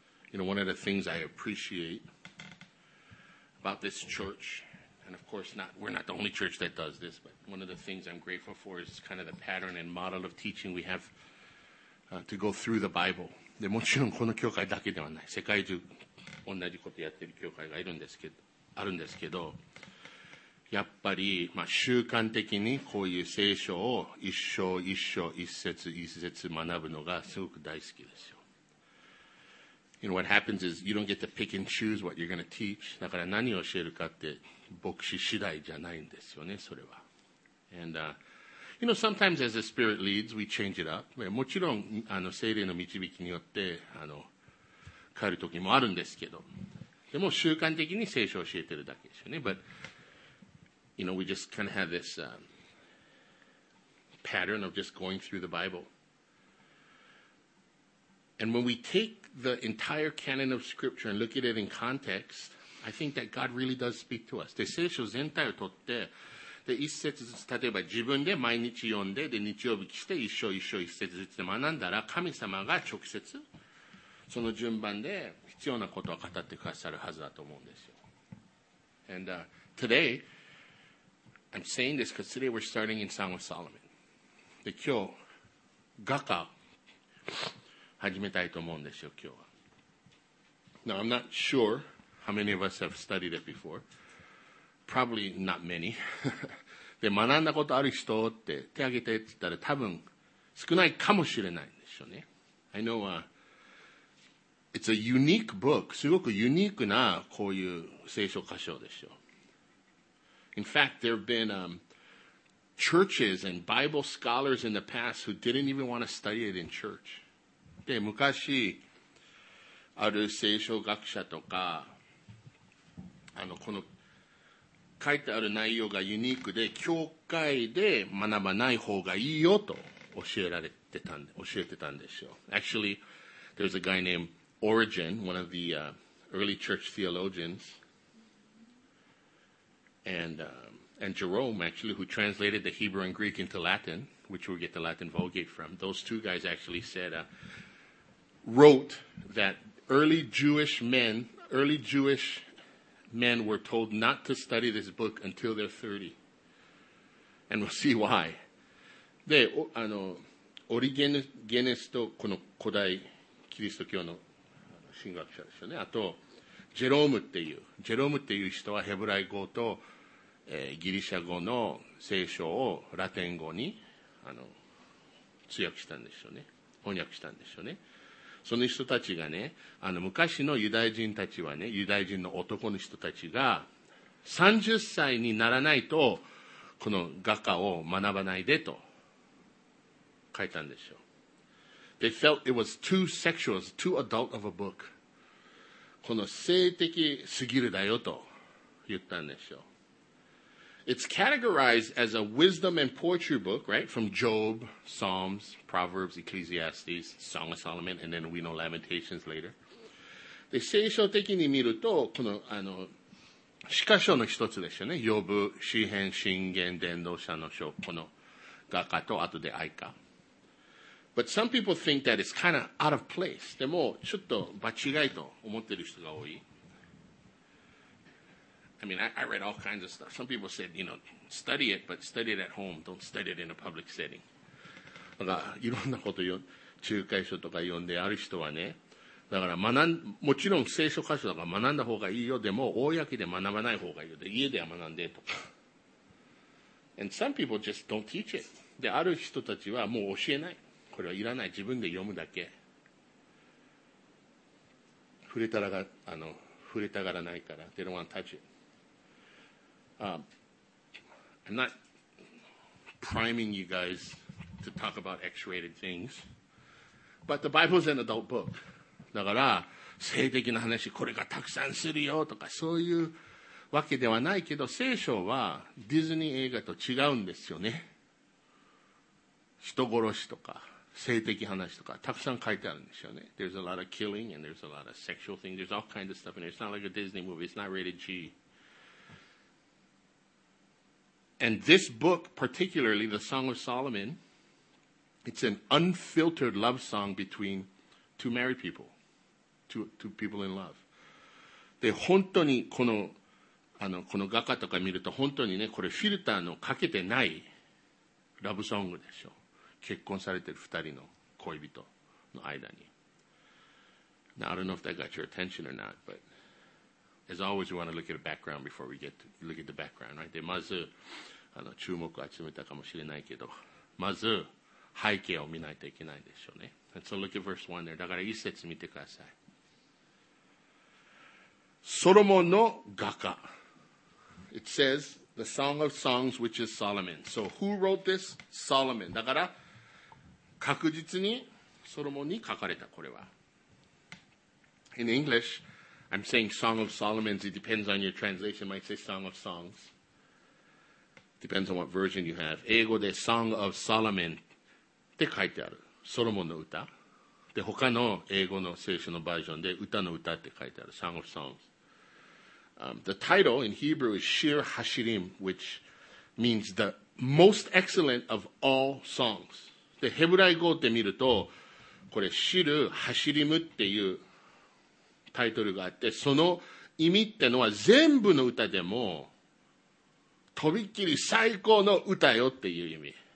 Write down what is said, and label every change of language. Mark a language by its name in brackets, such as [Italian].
[English] You know, one of the things I appreciate about this church, and of course not, we're not the only church that does this, but one of the things I'm grateful for is kind of the pattern and model of teaching we have、to go through the Bible. [Japanese] でもちろんこの教会だけではない。世界中同じことやってる教会がいるんですけど、やっぱり、まあ、習慣的にこういう聖書を一章一章一節一節学ぶのがすごく大好きですよ。 [English] You know, what happens is you don't get to pick and choose what you're going to teach. [Japanese] だから何を教えるかって牧師次第じゃないんですよね、それは。 [English] And, you know, sometimes as the Spirit leads, we change it up. [Japanese] もちろん、あの聖霊の導きによって、あの、変わる時もあるんですけど。でも習慣的に聖書を教えてるだけですよね。 [English] But,You know, we just kind of have this、pattern of just going through the Bible. And when we take the entire canon of Scripture and look at it in context, I think that God really does speak to us. [Japanese] で、聖書全体を取って、で、一節ずつ、例えば自分で毎日読んで、で、日曜日来て、一章一章一節ずつで学んだら、神様が直接、その順番で必要なことを語ってくださるはずだと思うんですよ。 [English] And、today,I'm saying this because today we're starting in Song of Solomon. [Japanese] で、今日、雅歌始めたいと思うんですよ、今日は。 [English] Now, I'm not sure how many of us have studied it before. Probably not many. [Japanese] で、学んだことある人って手挙げてって言ったら多分少ないかもしれないんでしょうね。 [English] I know, it's a unique book. [Japanese] すごくユニークなこういう聖書箇所でしょう。 [English] In fact, there have been、churches and Bible scholars in the past who didn't even want to study it in church. [Japanese] で、昔、ある聖書学者とか、あの、この、書いてある内容がユニークで、教会で学ばない方がいいよと教えてたんでしょう。 [English] Actually, there's a guy named Origen, one of the、early church theologians. And Jerome, actually, who translated the Hebrew and Greek into Latin, which we get the Latin Vulgate from, those two guys actually said,、wrote that early Jewish men were told not to study this book until they're 30. And we'll see why. [Japanese] で、あの、オリゲネスとこの古代キリスト教の神学者ですよね。あと、ジェロームっていう人はヘブライ語とギリシャ語の聖書をラテン語に、あの、通訳したんでしょうね。翻訳したんでしょうね。その人たちがね、あの、昔のユダヤ人たちはね、ユダヤ人の男の人たちが、30歳にならないと、この雅歌を学ばないでと、書いたんでしょう。 [English] They felt it was too sexual, too adult of a book. [Japanese] この性的すぎるだよと、言ったんでしょう。 [English] It's categorized as a wisdom and poetry book, right? From Job, Psalms, Proverbs, Ecclesiastes, Song of Solomon, and then we know Lamentations later. [Japanese] で、聖書的に見ると、この、あの、詩歌書の一つですよね。ヨブ、詩編、箴言、伝道者の書、この雅歌と後で哀歌。 [English] But some people think that it's kind of out of place. [Japanese] でも、ちょっと場違いと思ってる人が多い。 [English] I mean, I read all kinds of stuff. Some people said, you know, study it, but study it at home. Don't study it in a public setting. [Japanese] だから、いろんなこと読ん、仲介書とか読んである人はね、だから学ん、もちろん聖書箇所だから学んだ方がいいよ。でも、公で学ばない方がいいよ。で、家では学んでとか。 [English] And some people just don't teach it. [Japanese] で、ある人たちはもう教えない。これはいらない。自分で読むだけ。触れたがらないから。 [English] They don't want to touch it. I'm not priming you guys to talk about X-rated things, but the Bible is an adult book. [Japanese] だから性的な話これがたくさんするよとかそういうわけではないけど、聖書はディズニー映画と違うんですよね。人殺しとか性的話とかたくさん書いてあるんですよね。 [English] There's a lot of killing and there's a lot of sexual things. There's all kinds of stuff in there. It's not like a Disney movie. It's not rated G. And this book, particularly the Song of Solomon, it's an unfiltered love song between two married people, two people in love. [Japanese] で、本当にこの、あの、この画家とか見ると本当にね、これフィルターのかけてないラブソングでしょ。結婚されてる二人の恋人の間に。 [English] Now, I don't know if that got your attention or not, but as always, we want to look at the background before we get to look at the background, right? [Japanese] で、まず、あの、注目を集めたかもしれないけど、まず、背景を見ないといけないでしょうね。 [English] Let's look at verse 1 there. [Japanese] だから一節見てください。ソロモンの画家。 [English] It says, the Song of Songs, which is Solomon. So, who wrote this? Solomon. [Japanese] だから、確実にソロモンに書かれた、これは。 [English] In English, I'm saying Song of Solomon. It depends on your translation. Might say Song of Songs. Depends on what version you have. [Japanese] 英語で Song of Solomon って書いてある。ソロモンの歌。で、他の英語の聖書のバージョンで歌の歌って書いてある。 [English] Song of Songs. The title in Hebrew is Shir Hashirim, which means the most excellent of all songs. [Japanese] で、ヘブライ語って見ると、これ、シル・ハシリムっていうタイトルがあって、その意味ってのは全部の歌でも、とびっきり最高の歌よっていう意味。